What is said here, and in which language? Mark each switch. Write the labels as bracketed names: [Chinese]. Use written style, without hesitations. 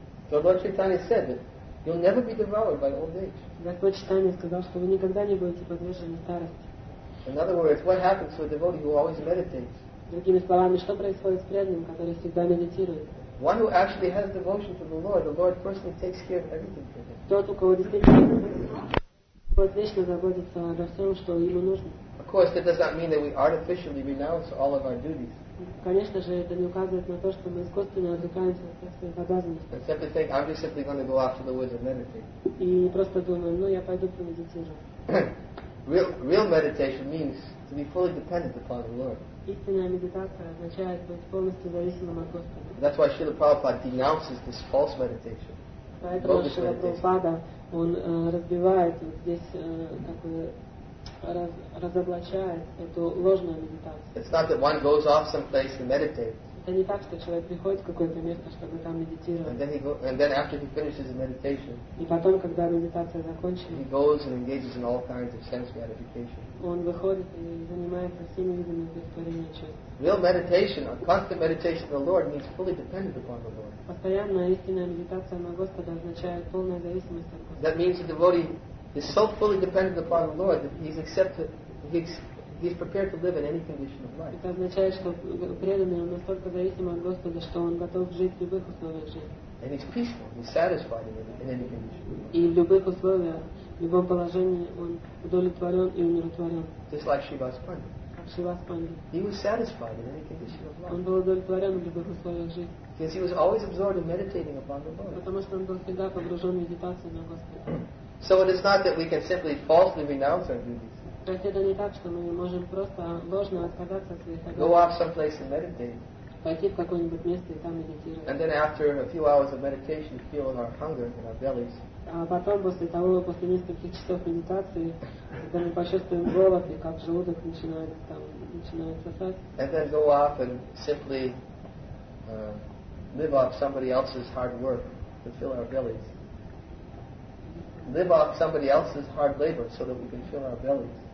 [Russian] Господь Чайтанья сказал, что вы никогда не будете подвержены старости. Другими словами, что происходит с преданным, который всегда медитирует? [English] One who actually has devotion to the Lord personally takes care of everything for him. [Russian] Тот, у кого действительно вечно заботится обо всем, что ему нужно. [English] Of course, that does not mean that we artificially renounce all of our duties. [Russian] Конечно же, это не указывает на то, что мы искусственно отвлекаемся от всех своих обязанностей. [English] Except to think, I'm just simply going to go after the woods and meditate. [Russian] И просто думаю, ну я пойду помедитирую. [English] Real meditation means to be fully dependent upon the Lord. [Russian] Истинная медитация означает быть полностью зависимым от Господа. [English] That's why Srila Prabhupada denounces this false meditation. [Russian] Поэтому Шрила Прабхупада он разбивает вот здесь как бы разоблачает эту ложную медитацию. [English] It's not that one goes off someplace to meditate. [Russian] Это не так, что человек приходит в какое-то место, чтобы там медитировать. [English] And then after he finishes the meditation. [Russian] И потом, когда медитация закончена. [English] He goes and engages in all kinds of sense gratification. [Russian] Он выходит и занимается всеми видами удовлетворения чувств. [English] Real meditation, a constant meditation of the Lord means fully dependent upon the Lord. [Russian] Постоянная истинная медитация на Господа означает полная зависимость от Господа. [English] That means the devotee is so fully dependent upon the Lord that he's accepted. He's prepared to live in any condition of life. [Russian] Это означает, что преданный настолько зависим от Господа, что он готов жить в любых условиях жизни. [English] And he's peaceful. He's satisfied in any condition. [Russian] И в любых условиях, в любом положении он удовлетворен и умиротворен. [English] Just like Shrivas Pandit. [Russian] Как Шривас Панди. [English] He was satisfied in any condition of life. [Russian] Он был удовлетворен в любых условиях жизни. [English] Because he was always absorbed in meditating upon the Lord. [Russian] Потому что он был всегда погружен в медитацию на Господа. [English] So it is not that we can simply falsely renounce our duties. [Russian] То есть это не так, что мы можем просто ложно отказаться от своих обязанностей. Пойти в какое-нибудь место и там медитировать. [English] And then after a few hours of meditation, feel our hunger in our bellies. [Russian] А потом после нескольких часов медитации, когда мы почувствуем голод и как желудок начинает сосать. [English] And then go off and simply live off somebody else's hard work to fill our bellies. Live off somebody else's hard labor so that we can fill our bellies.